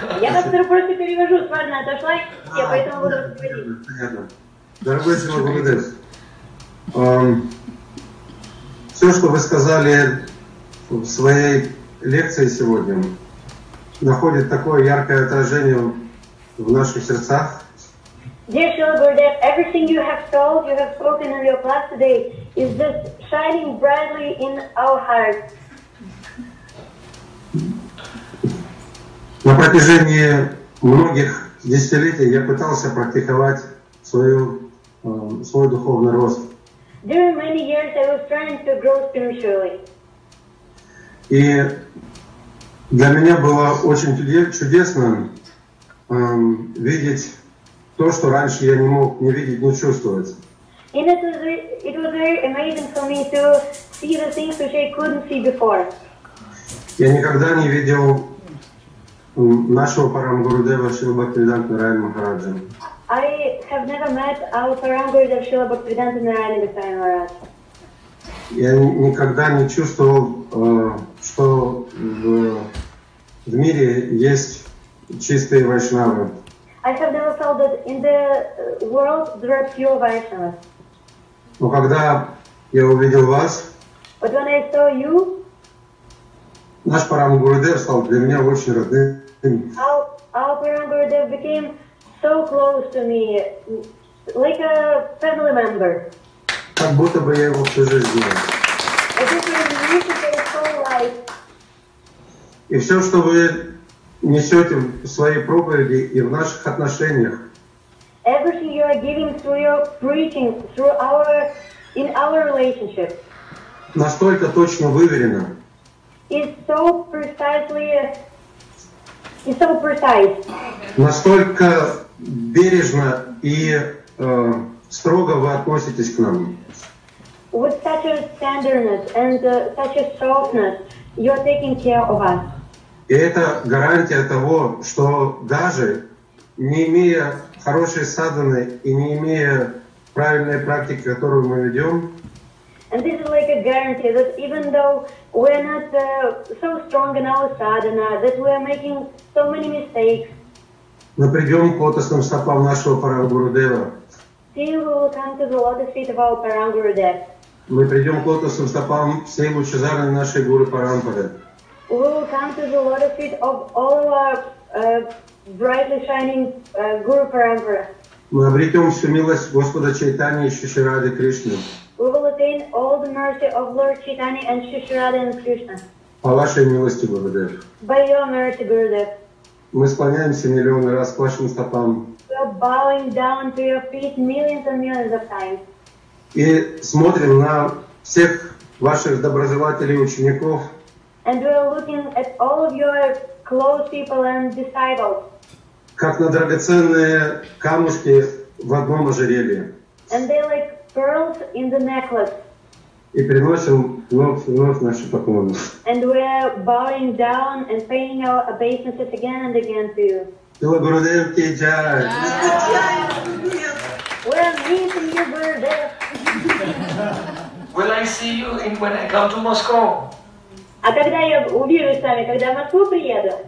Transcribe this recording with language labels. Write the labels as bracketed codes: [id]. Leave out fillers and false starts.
[ru] Я вас просто перевожу, с вами отошла, я поэтому буду разговаривать. Дорогой Шила Гурудев, все, что вы сказали в своей лекции сегодня, находит такое яркое отражение в наших сердцах. [en] Dear Shila Gurudev, everything you have told, you have spoken in your class today, is just shining brightly in our hearts. [ru] На протяжении многих десятилетий я пытался практиковать свой духовный рост. [en] During many years I was trying to grow spiritually. [ru] И для меня было очень чудесно видеть то, что раньше я не мог не видеть, не чувствовать. [en] It was very amazing for me to see the things which I couldn't see before. [ru] Я никогда не видел нашего Парамгурудева Шрила Бхактивиданта Нараяна Махараджа. [en] I have never met our Парамгурудева Шрила Бхактивиданта Нараяна Махараджа. [ru] Я никогда не чувствовал, что в мире есть чистые вайшнавы. [en] I have never felt that in the world there are pure Vaishnavas. [ru] Но когда я увидел вас, [en] but when I saw you, [ru] наш Парам Гурудев стал для меня очень родным. [en] Our Param Gurudev became so close to me, like a family member. [ru] Как будто бы я его всю жизнь знал. [en] I think [ru] и все, что вы несете в своей проповеди и в наших отношениях. [en] Everything you are giving through your preaching, through our, in our relationship. [ru] Настолько точно выверено. [en] It's so precisely, it's so precise. [ru] Настолько бережно и строго вы относитесь к нам. [en] With such a tenderness and such a softness, you are taking care of us. [ru] И это гарантия того, что даже не имея хорошей садханы и не имея правильной практики, которую мы ведем. [en] And this is like a guarantee that even though we are not so strong in our sadhana, that we are making so many mistakes. [ru] Мы придем к лотосным стопам нашего Парангурудева. [en] Still we will come to the lotus feet of our Парангурудев. [ru] Мы придем к лотосным стопам всей лучезарной нашей Гуры Парампары. [en] We will come to the lotus feet of all of our brightly shining Guru Parampara. [ru] Мы обретем всю милость Господа Чайтани и Шри Рады Кришны. [en] We will attain all the mercy of Lord Chaitanya and Shri Rada and Krishna. [ru] По вашей милости, Гурудев. [en] By your mercy, Gurudev. [ru] Мы склоняемся миллион раз к вашим стопам. [en] We are bowing down to your feet millions and millions of times. [ru] И смотрим на всех ваших доброжелателей и учеников. [en] And we are looking at all of your close people and disciples. [ru] Как на драгоценные камушки в одном ожерелье. [en] And they like pearls in the necklace. [ru] И приносим вновь и вновь наши поклоны. [en] And we are bowing down and paying our obeisances again and again to you. [ru] Сила Гурудев ки джай! [en] We are meeting you, Gurudev! Will I see you in, when I come to Moscow? [ru] А когда я увижу с вами, когда в Москву приеду?